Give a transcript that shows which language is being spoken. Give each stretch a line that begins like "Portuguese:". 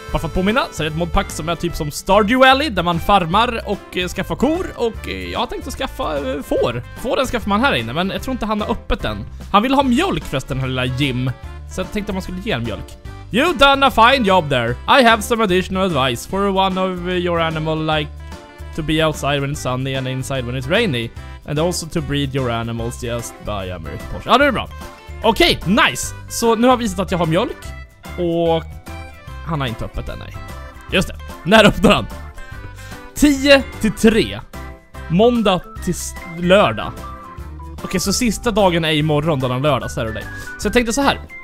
Swedish: Bara för att påminna så är det ett modpack som är typ som Stardew Valley där man farmar och skaffar kor. Och jag har tänkt att skaffa får. Fåren skaffar man här inne, men jag tror inte han har öppet än. Han vill ha mjölk förresten, den här lilla Jim. Så jag tänkte att man skulle ge en mjölk.
English: You done a fine job there. I have some additional advice for one of your animal like to be outside when it's sunny and inside when it's rainy. And also to breed your animals just by a miracle potion. Ja, det är bra. Okej, okay, nice.
Swedish: Så nu har vi visat att jag har mjölk. Och han har inte öppet än, nej. Just det, när öppnar han? 10-3 måndag till lördag. Okej, okay, så sista dagen är imorgon, den lördag, så är det dig. Så jag tänkte så här.